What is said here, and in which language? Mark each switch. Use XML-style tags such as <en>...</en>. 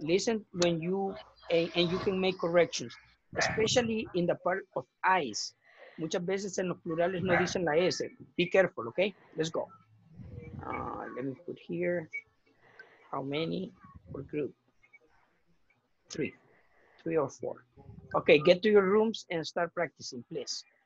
<en>Listen when you, and you can make corrections, especially in the part of eyes.</en> <es>Muchas veces en los plurales no dicen la S.</es> <en>Be careful, okay? Let's go. Let me put here how many per group. Three or four. Okay, get to your rooms and start practicing, please.</en>